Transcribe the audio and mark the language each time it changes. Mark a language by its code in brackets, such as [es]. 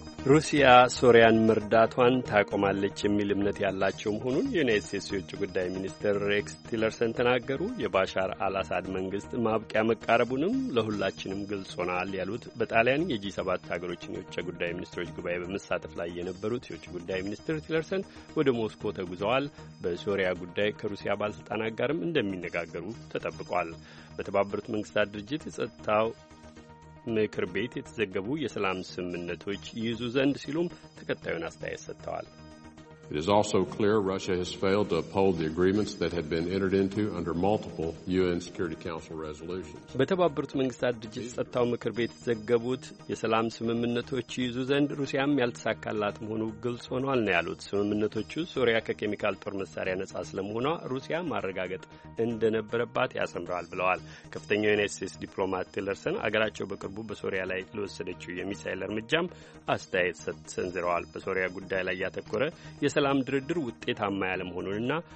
[am] ሩሲያ ሶሪያን መርዳቷን ታቆማለች የሚል እምነት ያላቸው መሆኑን የዩናይትድ ስቴትስ የውጭ ጉዳይ ሚኒስትር ሬክስ ቲለርሰን ተናገሩ። የባሻር አልአሳድ መንግስት ማብቂያ መቃረቡንም ለሁላችንም ግልጽ ሆኗል ያሉት በጣሊያን የጂ 7 ሀገሮችን የውጭ ጉዳይ ሚኒስትሮች ጉባኤ በመሳተፍ ላይ የነበሩት የውጭ ጉዳይ ሚኒስትር ቲለርሰን ወደ ሞስኮ ተጉዘዋል። በሶሪያ ጉዳይ ከሩሲያ ባለስልጣናት ጋርም እንደሚነጋገሩ ተጠብቋል። በተባበሩት መንግስታት ድርጅት የጸጥታው ምክር ቤት የተዘገቡ የሰላም ስምምነቶች ይዙ ዘንድ ሲሉም ተከታዩን አስተያየት ሰጥተዋል። [en] It is also clear Russia has failed to uphold the agreements that have been entered into under multiple UN Security Council resolutions. [am] በተባበሩት መንግስታት ድርጅት ጸጥታው ምክር ቤት ዘገቡት የሰላም ስምምነቶች ይዙ ዘንድ ሩሲያም ያልተሳካላት መሆኑ ግልጽ ሆኗል ነው ያሉት። ስምምነቶቹ ሶሪያ ከኬሚካል ጦር መሳሪያ ነጻ ስለመሆኗ ሩሲያ ማረጋገጥ እንደነበረባት ያሰምራል ብለዋል። ከፍተኛው የዩኤስኤስ ዲፕሎማት ቴለርሰን አገራቸው በቅርቡ በሶሪያ ላይ ለወሰደችው የሚሳኤል እርምጃም አስተያየት ሰንዝረዋል። በሶሪያ ጉዳይ ላይ ያተኮረ የሰላም ድርድር ውጤታማ ያለመሆኑንና